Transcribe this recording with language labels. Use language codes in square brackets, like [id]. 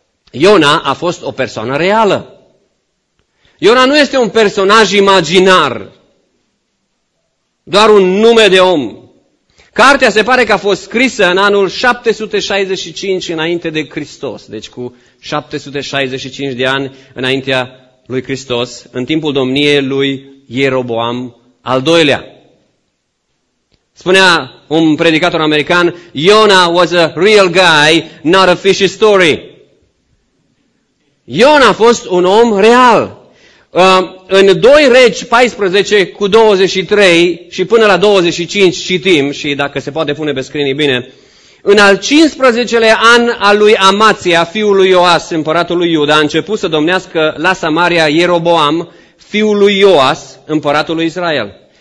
[ro] Iona a fost o persoană reală. Iona nu este un personaj imaginar, doar un nume de om. Cartea se pare că a fost scrisă în anul 765 înainte de Hristos, deci cu 765 de ani înaintea lui Hristos, în timpul domniei lui Ieroboam al doilea. Spunea un predicator american, [en] Iona was a real guy, not a fishy story. [ro] Iona a fost un om real. În 2 Regi 14 cu 23 și până la 25 citim, și dacă se poate pune pe screen, bine, în al 15-lea an al lui Amația, fiul lui Ioas, împăratul lui Iuda, a început să domnească la Samaria Ieroboam, fiul lui Ioas, împăratul lui Israel.